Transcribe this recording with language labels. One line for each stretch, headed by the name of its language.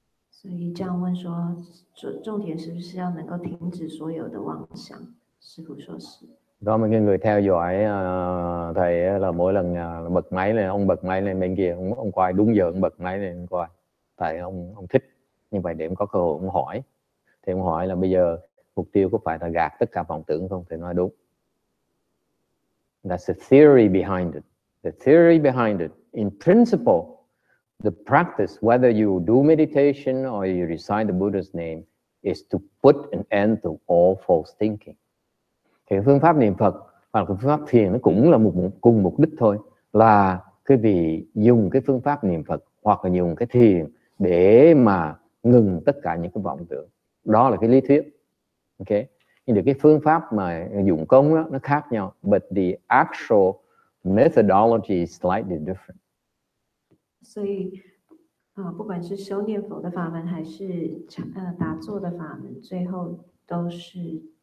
Chinese: 所以这样问说，重点是不是要能够停止所有的妄想？师父说是。
Vietnamese: Có mấy người theo dõi thầy là mỗi lần bật máy này, ông bật máy này bên kia, ông coi đúng giờ ông bật máy này, ông coi. Tại ông thích như vậy để ông có cơ hội ông hỏi. Thì ông hỏi là bây giờ mục tiêu có phải là gạt tất cả vọng tưởng không? Thì nói đúng.
English: That's the theory behind it. The theory behind it. In principle, the practice, whether you do meditation or you recite the Buddha's name, is to put an end to all false thinking.
Vietnamese: Thì phương pháp niệm Phật hoặc là phương pháp thiền nó cũng là cùng mục đích thôi, là quý vị dùng cái phương pháp niệm Phật hoặc là dùng cái thiền để mà ngừng tất cả những cái vọng tưởng. Đó là cái lý thuyết. Ok, nhưng được cái phương pháp mà dụng công đó, nó khác nhau,
English: but the actual methodology is slightly different.
Chinese: So 不管是修念佛的法门还是打坐的法门，最后都是